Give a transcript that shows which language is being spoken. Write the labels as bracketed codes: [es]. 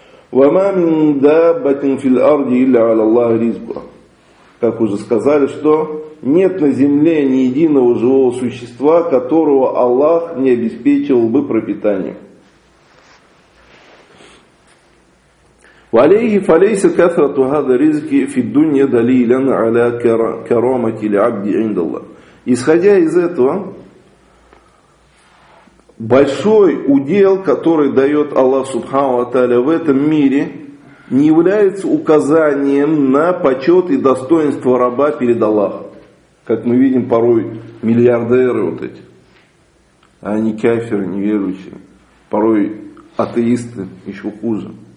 [ar] Ва ма мин даббатин филь арди илля аля Аллах ризкуха. [ru] Как уже сказали, что нет на земле ни единого живого существа, которого Аллах не обеспечивал бы пропитанием. [ar] وعليه فليس كثرة هذا الرزق في الدنيا دليلا على كرامة العبد عند الله. [ru] Исходя из этого, большой удел, который дает Аллах Субхану ва Тааля в этом мире, не является указанием на почет и достоинство раба перед Аллахом. Как мы видим, порой миллиардеры вот эти, они кафиры, неверующие, порой атеисты, еще хуже.